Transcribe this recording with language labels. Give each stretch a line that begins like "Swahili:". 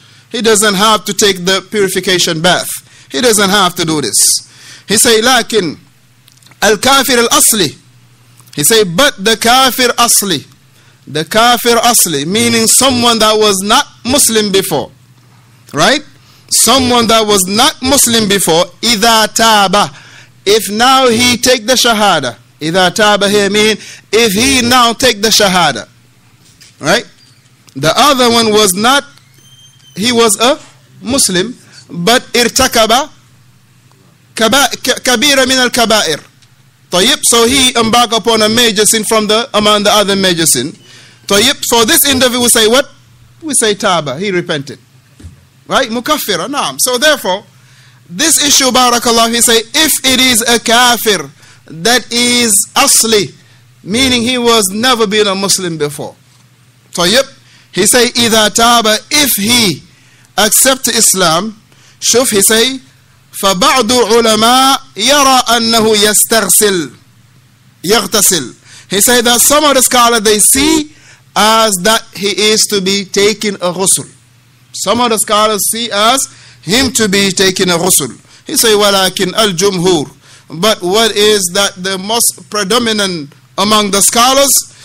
English: He doesn't have to take the purification bath. He doesn't have to do this. He say,
Arabic: لكن الكافر الأصلي.
English: He say, but the كافر أصلي. The كافر أصلي, meaning someone that was not Muslim before. Right? Someone that was not Muslim before,
Arabic: إذا تاب.
English: If now he take the shahada.
Arabic: إذا تاب
English: here mean, if he now take the shahada. Right? The other one was not, he was a Muslim, but
Arabic: ارتكب كبيرة من الكبائر.
English: طيب, so he embarked upon a major sin from the, among the other major sin. طيب, for this interview we say what? We say تاب, he repented. Right?
Arabic: مكفر, نعم.
English: So therefore, this issue, barakallah, he say, if it is a kafir, that is asli, meaning he was never been a Muslim before.
Arabic: طيب, he say, إذا تاب,
English: if he accept Islam,
Arabic: شوف, he say, فبعض علماء يرى أنه يستغسل, يغتسل.
English: He say that some of the scholars, they see as that he is to be taking a ghusl. Some of the scholars see as him to be taking a ghusl. He say,
Arabic: ولكن الجمهور.
English: But what is that the most predominant among the scholars?